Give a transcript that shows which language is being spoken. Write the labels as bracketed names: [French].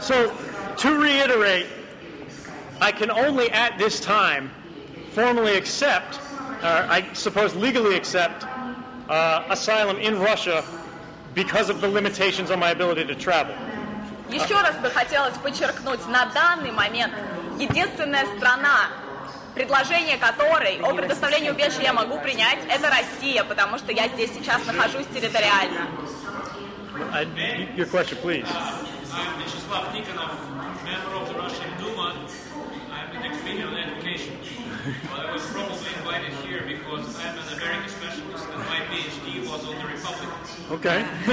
[English] So, to reiterate, I can only at this time formally accept, or I suppose legally accept, asylum in Russia because of the limitations on my ability to travel. [Russian] Еще раз бы хотелось подчеркнуть, на данный момент единственная страна, предложение которой о предоставлении убежища я могу принять, это Россия, потому что я здесь сейчас нахожусь территориально. [English] Your question, please. I'm Vyacheslav Tikhonov, member of the Russian Duma. I'm an expert on education. Well, I was probably invited here because I'm an American specialist and my PhD was on the Republic. Okay.